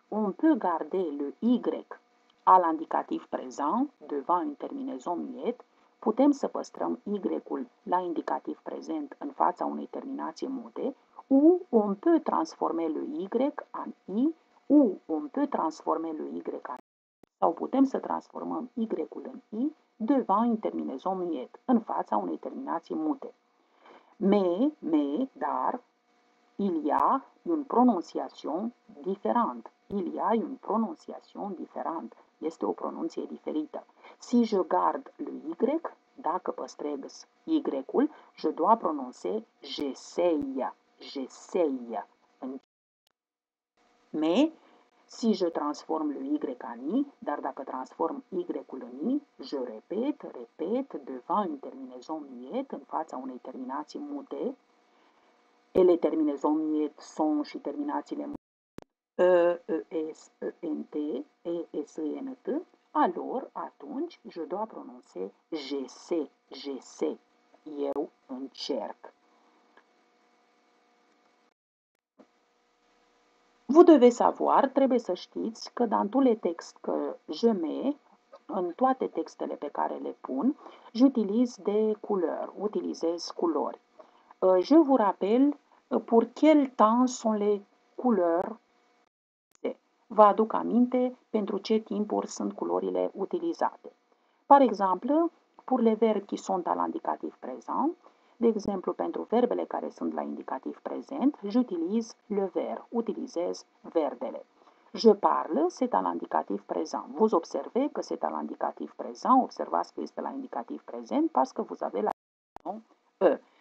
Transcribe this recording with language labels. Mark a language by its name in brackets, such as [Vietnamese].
[French] On peut garder le Y [Romanian] al indicativ prezent [French] devant une terminaison muette. [Romanian] Putem să păstrăm Y-ul la indicativ prezent în fața unei terminații mute, [French] ou on peut transforme le Y en I, U, on peut transformer le Y en I. [Romanian] Sau putem să transformăm Y-ul în I [French] devant une terminaison muette, [Romanian] în fața unei terminații mute. [French] Mais, [Romanian] dar, [French] il y a une prononciation différente. Il y a une prononciation différente. [Romanian] Este o pronunție diferită. [French] Si je garde le Y, [Romanian] dacă păstrez Y-ul, [French] je dois prononcer j'essaye. J'essaye. Mais, si je transforme le Y en I, [Romanian] dar dacă transform Y-ul în I, [French] je répète, devant une terminaison muette, [Romanian] în fața unei terminații mute, [French] et les terminaisons muettes sont [Romanian] și terminațiile mute, [French] E-E-S-E-N-T, E-S-E-N-T, alors, [Romanian] atunci, [French] je dois prononcer j'essaie, [Romanian] eu încerc. [French] Vous devez savoir, [Romanian] trebuie să știți, că [French] dans tous les textes que je mets, [Romanian] în toate textele pe care le pun, [French] j'utilise des couleurs, [Romanian] utilizez culori. [French] Je vous rappelle pour quel temps sont les couleurs. [Romanian] Vă aduc aminte pentru ce timpuri sunt culorile utilizate. [French] Par exemple, pour les verbes qui sont à l'indicatif présent, [Romanian] de exemplu, pentru verbele care sunt la indicativ prezent, [French] j'utilise le vert, [Romanian] utilizez verdele. [French] Je parle, c'est à l'indicatif présent. Vous observez că c'est à l'indicatif présent, [Romanian] observați că este la indicativ prezent, [French] parce que vous avez la terminaison E.